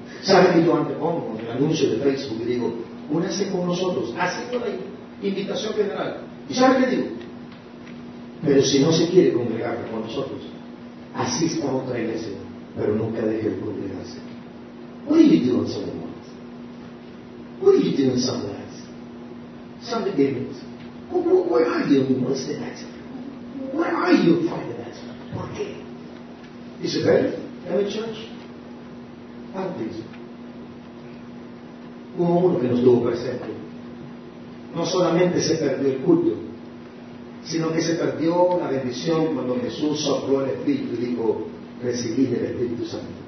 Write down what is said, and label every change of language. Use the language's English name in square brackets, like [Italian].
[Spanish] ¿Sabe que yo antes pongo en el anuncio de Facebook y digo, únase con nosotros, haciendo la invitación general? ¿Y sabe qué digo? Pero si no se quiere congregar con nosotros, asista a otra iglesia, pero nunca deje de congregarse. [English] What are you doing Sunday mornings? What are you doing Sunday nights? Sunday evenings? Where are you on Wednesday nights? Where are you on Friday nights? [Spanish] ¿Por qué? [English] Is it better? Any church? [Spanish] Antes, hubo uno que nos tuvo presente. No solamente se perdió el culto, sino que se perdió la bendición cuando Jesús sopló el Espíritu y dijo, recibid el Espíritu Santo.